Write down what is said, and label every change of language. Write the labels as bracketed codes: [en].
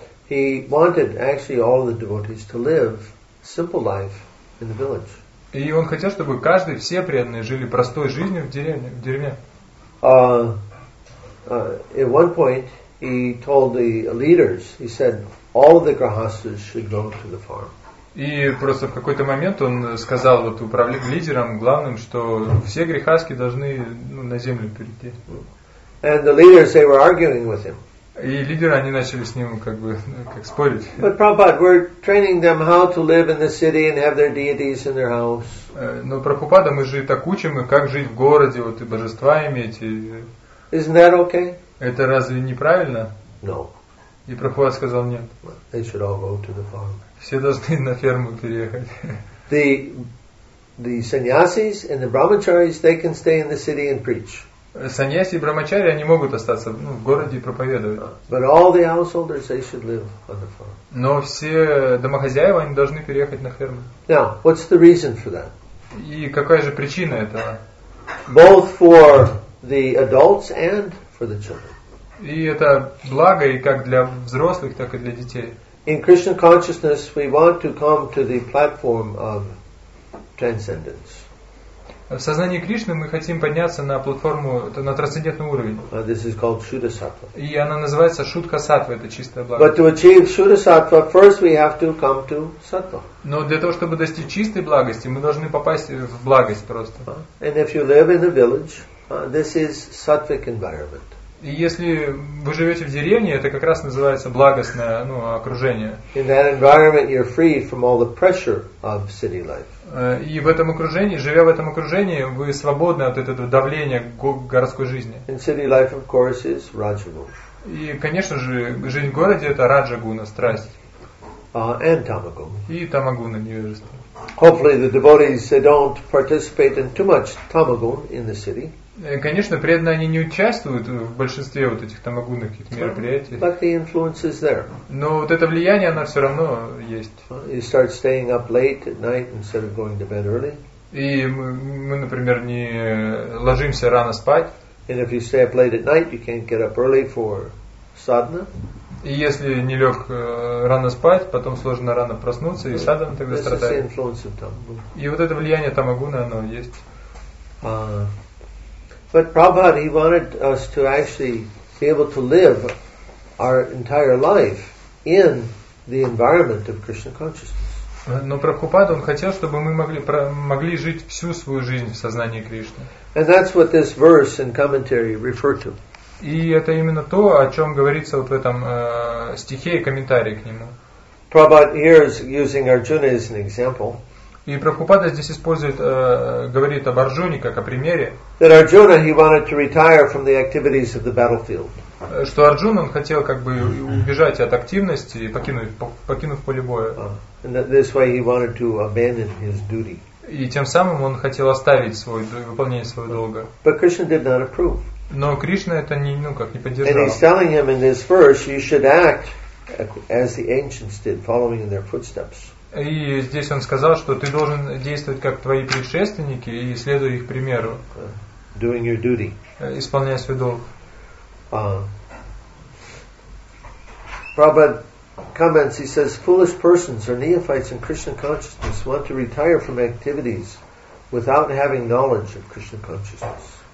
[en] He wanted actually all the devotees to live simple life in the village. [ru] И он хотел, чтобы каждый, все преданные жили простой жизнью в деревне. [en] At one point he told the leaders, he said, all of the grahasthas should go to the farm. [ru] И просто в какой-то момент он сказал вот лидерам главным, что все грехаски должны, ну, на землю перейти. [en] And the leaders, they were arguing with him. [ru] И лидеры, они начали с ним как бы как спорить. [en] But Prabhupada, we're training them how to live in the city and have their deities in their house. [ru] Но Прабхупада, мы же так учим их, как жить в городе, вот и божества иметь. И... [en] Isn't that okay? [ru] Это разве неправильно? [en] No. [ru] И Прабхупада сказал нет. [en] They should all go to the farm. [ru] Все должны на ферму переехать. [en] The sannyasis and the brahmacharis, they can stay in the city and preach. [ru] Саньяси и брахмачари, они могут остаться, ну, в городе и проповедовать. [en] But all the householders, they should live on the farm. [ru] Но все домохозяева, они должны переехать на ферму. [en] Now, what's the reason for that? [ru] И какая же причина этого? [en] Both for the adults and for the children. [ru] И это благо и как для взрослых, так и для детей. [en] In Krishna consciousness, we want to come to the platform of transcendence. [ru] В сознании Кришны мы хотим подняться на платформу, на трансцендентный уровень. [en] This is called Shuddha-sattva. [ru] И она называется Шудха-саттва, это чистое благо. [en] But to achieve Shuddha-sattva, first we have to come to sattva. [ru] Но для того, чтобы достичь чистой благости, мы должны попасть в благость просто. [en] And if you live in a village, this is sattvic environment. [ru] И если вы живете в деревне, это как раз называется благостное, ну, окружение. [en] In that environment you're free from all the pressure of city life. [ru] И в этом окружении, живя в этом окружении, вы свободны от этого давления городской жизни. [en] In city life, of course, is Rajaguna. [ru] И, конечно же, жизнь в городе – это Раджагуна, страсть. [en] And Tamaguna. [ru] И Тамагуна, невежество. [en] Hopefully the devotees don't participate in too much Tamaguna in the city. [ru] Конечно, преданные они не участвуют в большинстве вот этих тамагунных каких-то мероприятий. [en] But the influence is there. [ru] Но вот это влияние, оно все равно есть. [en] You start staying up late at night instead of going to bed early. [ru] И мы, например, не ложимся рано спать. [en] And if you stay up late at night, you can't get up early for sadhana. [ru] И если не лег рано спать, потом сложно рано проснуться, и садхана тогда [en] this [ru] страдает. [en] Is the influence of tamaguna. [ru] И вот это влияние тамагуны, оно есть. [en] But Prabhupada, he wanted us to actually be able to live our entire life in the environment of Krishna consciousness. [ru] Но Прабхупада, он хотел, чтобы мы могли жить всю свою жизнь в сознании Кришны. [en] And that's what this verse and commentary refer to. [ru] И это именно то, о чем говорится вот в этом стихе и комментарии к нему. [en] Prabhupada here is using Arjuna as an example. [ru] И Прабхупада здесь использует, говорит об Арджуне как о примере. [en] That Arjuna, he wanted to retire from the activities of the battlefield. [ru] Что Арджун, он хотел как бы убежать от активности и покинув поле боя. [en] And that this way he wanted to abandon his duty. [ru] И тем самым он хотел оставить свой выполнение своего долга. [en] But Krishna did not approve. [ru] Но Кришна это не, ну как, не поддержал. [en] And he's telling him in this verse, you should act as the ancients did, following in their footsteps. [ru] И здесь он сказал, что ты должен действовать как твои предшественники и следуя их примеру. [en] Doing your duty. [ru] Исполняя свой долг. [en] Prabhupada comments, he says, foolish persons or neophytes in Krishna consciousness want to retire from activities without having knowledge of Krishna consciousness.